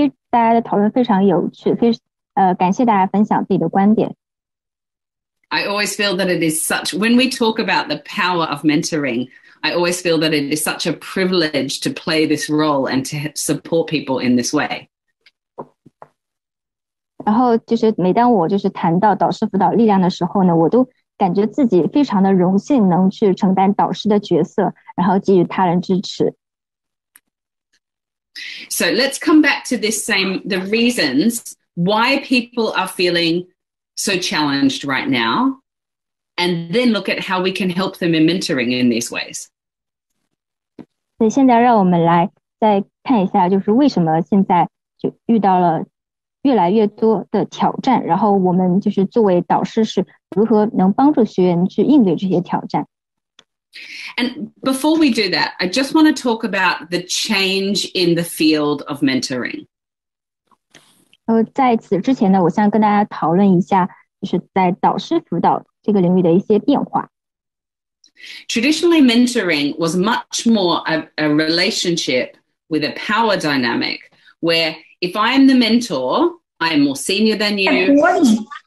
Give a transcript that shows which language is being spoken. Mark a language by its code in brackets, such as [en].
[zh] 大家的讨论非常有趣，感谢大家分享自己的观点。 [en] I always feel that it is such, when we talk about the power of mentoring, I always feel that it is such a privilege to play this role and to support people in this way. [zh] 然后就是每当我就是谈到导师辅导力量的时候呢，我都感觉自己非常的荣幸能去承担导师的角色，然后给予他人支持。 [en] So let's come back to this same, the reasons why people are feeling so challenged right now, and then look at how we can help them in mentoring in these ways. [zh] 所以现在让我们来再看一下，就是为什么现在就遇到了越来越多的挑战，然后我们就是作为导师是如何能帮助学员去应对这些挑战。 [en] And before we do that, I just want to talk about the change in the field of mentoring. [zh] 在此之前呢，我想跟大家讨论一下，就是在导师辅导这个领域的一些变化。 [en] Traditionally, mentoring was much more a relationship with a power dynamic, where if I am the mentor, I am more senior than you.